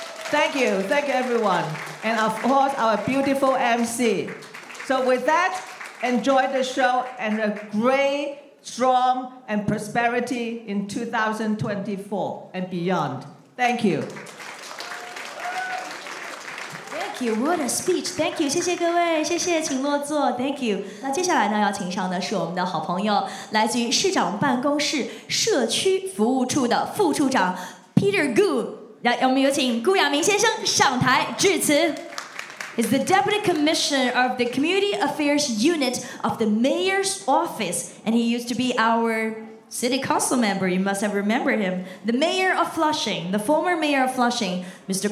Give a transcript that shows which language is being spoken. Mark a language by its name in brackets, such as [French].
[English] Thank you everyone. And of course, our beautiful MC. So with that, enjoy the show and a great, strong, and prosperity in 2024 and beyond. Thank you. Thank you, what a speech. Thank you, [Chinese] 谢谢各位，谢谢，请落座。 [English] Thank you. [Chinese] 那接下来呢，要请上的是我们的好朋友，来自于市长办公室社区服务处的副处长 Peter Gu。来，我们有请顾亚明先生上台致辞。 [English] He's the deputy commissioner of the community affairs unit of the mayor's office, and he used to be our city council member. You must have remembered him, the mayor of Flushing, the former mayor of Flushing, Mr.